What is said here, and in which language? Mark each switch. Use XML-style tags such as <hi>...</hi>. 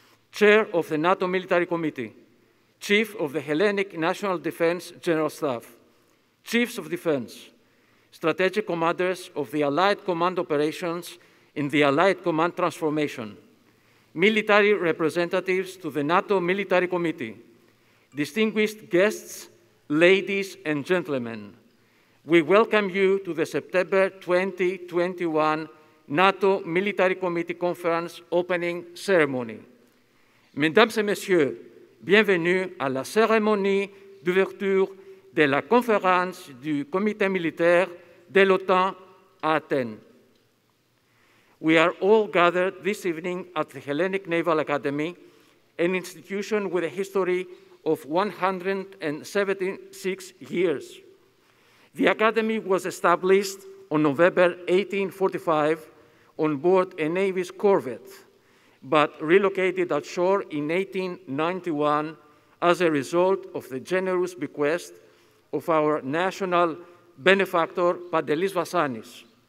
<en>Chair of the NATO Military Committee, Chief of the Hellenic National Defense General Staff, Chiefs of Defense, Strategic Commanders of the Allied Command Operations in the Allied Command Transformation, Military Representatives to the NATO Military Committee, Distinguished guests, ladies and gentlemen, we welcome you to the September 2021 NATO Military Committee Conference opening ceremony.</en> <fr>Mesdames et messieurs, bienvenue à la cérémonie d'ouverture de la conférence du Comité militaire de l'OTAN à Athènes.</fr> <en>We are all gathered this evening at the Hellenic Naval Academy, an institution with a history of 176 years. The Academy was established on November 1845 on board a Navy's corvette, but relocated at shore in 1891 as a result of the generous bequest of our national benefactor, Pantelis Vassanis.</en>